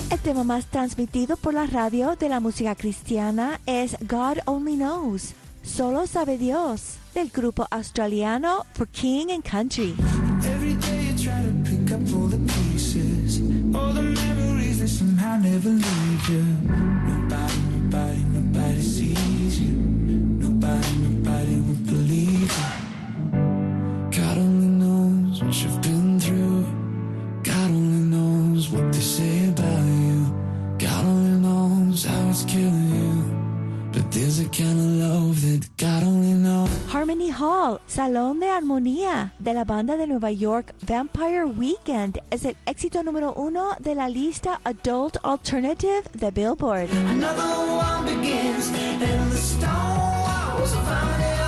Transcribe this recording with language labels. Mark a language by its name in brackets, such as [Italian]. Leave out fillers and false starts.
[Spanish] Tema más transmitido por la radio de la música cristiana es God Only Knows, Solo Sabe Dios, del grupo australiano For King and Country. [English] Every day you try to pick up all the pieces, all the memories that somehow never leave you. Nobody, nobody, nobody sees you. Nobody, nobody will believe you. God only knows what you've been through. God only knows what they say about you. God only knows how it's killing you, but there's a kind of love that God only knows. [Spanish] Harmony Hall, Salón de Armonía, de la banda de Nueva York, Vampire Weekend, es el éxito número uno de la lista Adult Alternative de Billboard. [English] Another one begins, and the stone walls are found.